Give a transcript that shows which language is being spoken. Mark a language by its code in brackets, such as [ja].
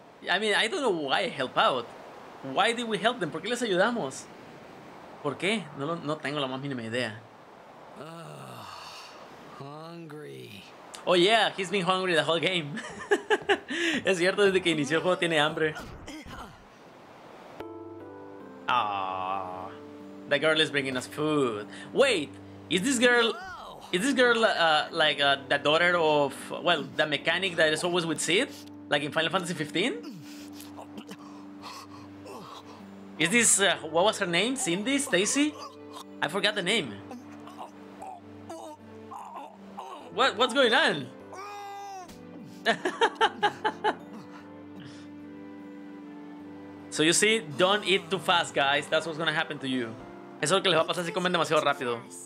[en] I mean, I don't know why I help out. Why did we help them? [es] ¿Por qué les ayudamos? ¿Por qué? No tengo la más mínima idea. [en] Hungry. Oh yeah, he's been hungry the whole game. [es] Es cierto, desde que inició el juego tiene hambre. [en] Ah, the girl is bringing us food. Wait, is this girl the daughter of, well, the mechanic that is always with Sid, like in Final Fantasy 15? Is this what was her name? Cindy? Stacy? I forgot the name. What's going on? So you see, don't eat too fast, guys. That's what's gonna happen to you. [es] Eso es lo que les va a pasar si comen demasiado rápido.